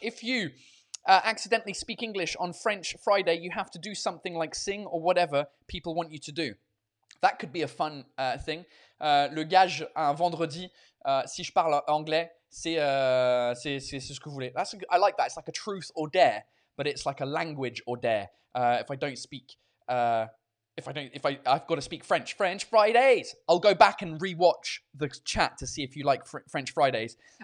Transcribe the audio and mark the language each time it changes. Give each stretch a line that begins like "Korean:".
English: If you accidentally speak English on French Friday, you have to do something like sing or whatever people want you to do. That could be a fun thing.
French: Le gage un vendredi, si je parle anglais, c'est ce que vous voulez.
English: I like that. It's like a truth or dare, but it's like a language or dare. If I don't speak, if I don't, if I, I've got to speak French. French Fridays. I'll go back and rewatch the chat to see if you like French Fridays.